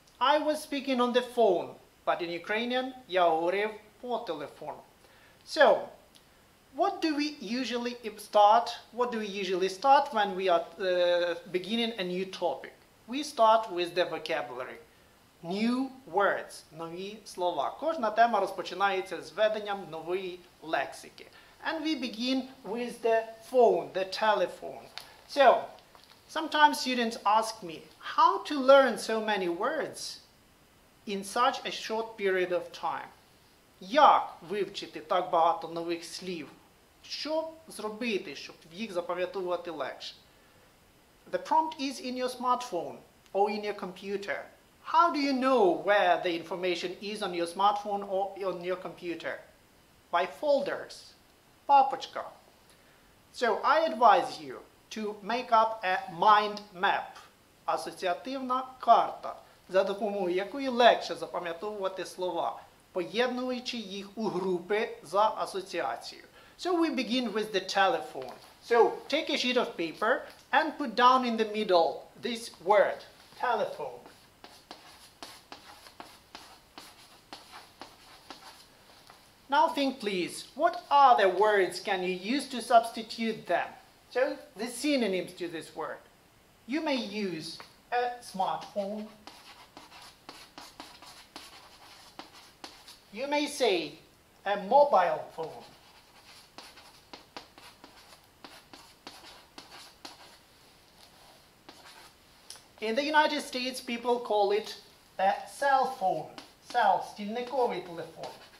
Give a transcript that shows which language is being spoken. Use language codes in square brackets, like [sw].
[en] I was speaking on the phone, but in Ukrainian, [uk] я говорив по телефону. [en] So, what do we usually start when we are beginning a new topic? We start with the vocabulary. New words, [uk] нові слова. Кожна тема розпочинається з введенням нової лексики. [en] And we begin with the phone, the telephone. So, sometimes students ask me, how to learn so many words in such a short period of time? [uk] Як вивчити так багато нових слів? Що зробити, щоб їх запам'ятовувати легше? [en] The prompt is in your smartphone or in your computer. How do you know where the information is on your smartphone or on your computer? By folders. [uk] Папочка. [en] So, I advise you to make up a mind map. [uk] Асоціативна карта, за допомогою якої легше запам'ятовувати слова, поєднуючи їх у групи за асоціацією. [en] So, we begin with the telephone. So, take a sheet of paper and put down in the middle this word, telephone. Now think, please, what other words can you use to substitute them? So, the synonyms to this word. You may use a smartphone. You may say a mobile phone. In the United States, people call it a cell phone. [uk] Cell, стільниковий телефон.